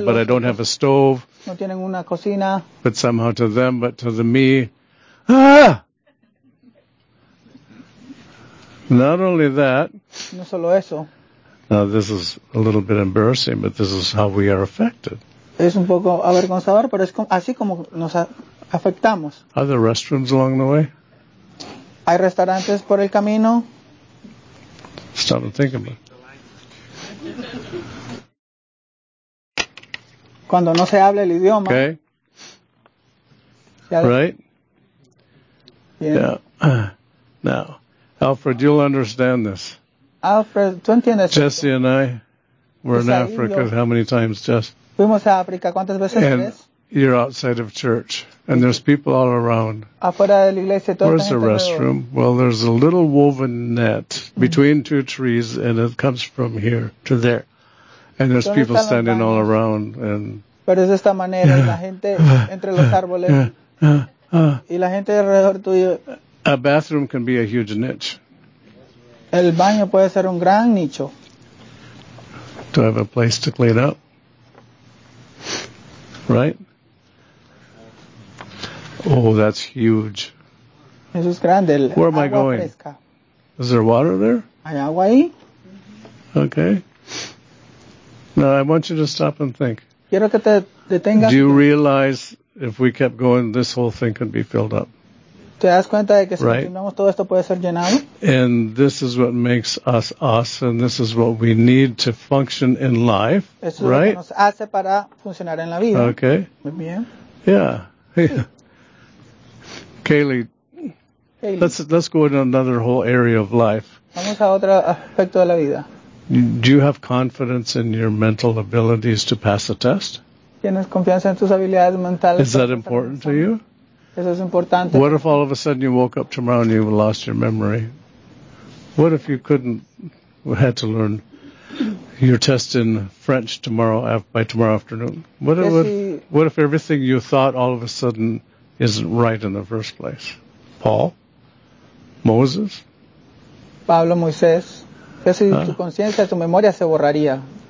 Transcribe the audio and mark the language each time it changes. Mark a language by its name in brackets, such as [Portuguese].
[English] With, but I don't have a stove. [Spanish] No tienen una cocina. [English] But somehow to them, but to the me, Not only that. [Spanish] No solo eso. [English] Now this is a little bit embarrassing, but this is how we are affected. [Spanish] Es un poco avergonzador, pero es así como nos afectamos. [English] Are there restrooms along the way? [Spanish] ¿Hay restaurantes por el camino? [English] Stop and think about it. [Spanish] Cuando no se habla el idioma. [English] Okay. Right? [Spanish] Bien. [English] Yeah. Now, Alfred, you'll understand this. [Spanish] Alfred, ¿tú entiendes [English] esto? Jesse and I were in Africa. How many times, Jess? [Spanish] Fuimos a África. ¿Cuántas veces? [English] And you're outside of church, and there's people all around. [Spanish] Afuera de la iglesia, toda [English] Where's the restroom? [Spanish] Alrededor. [English] Well, there's a little woven net between two trees, and it comes from here to there. And there's people standing all around. And, [Spanish] pero es de esta manera, y la gente entre los árboles. Y la gente alrededor tuyo. [English] A bathroom can be a huge niche. [Spanish] El baño puede ser un gran nicho. [English] To have a place to clean up. Right? Oh, that's huge. [Spanish] Eso es grande. El [English] Where am I going? [Spanish] Fresca. [English] Is there water there? [Spanish] Hay agua ahí. [English] Okay. Now, I want you to stop and think. [Spanish] Quiero que te detengas. [English] Do you realize if we kept going, this whole thing could be filled up? [Spanish] ¿Te das cuenta de que si continuamos todo esto puede ser llenado? [English] And this is what makes us us, and this is what we need to function in life, [Spanish] Esto es [English] right? [Spanish] lo que nos hace para funcionar en la vida. [English] Okay. [Spanish] Muy bien. [English] Yeah. Yeah. Sí. Kaylee, let's go into another whole area of life. [Spanish] Vamos a otro aspecto de la vida. [English] Do you have confidence in your mental abilities to pass a test? [Spanish] ¿Tienes confianza en tus habilidades mentales? [English] Is that important to you? [Spanish] Eso es importante. [English] What if all of a sudden you woke up tomorrow and you lost your memory? What if you couldn't, had to learn your test in French tomorrow by tomorrow afternoon? What if everything you thought all of a sudden isn't right in the first place? Paul? Moses? [Spanish] Pablo, Moisés. ¿Qué si tu conciencia, tu memoria se borraría?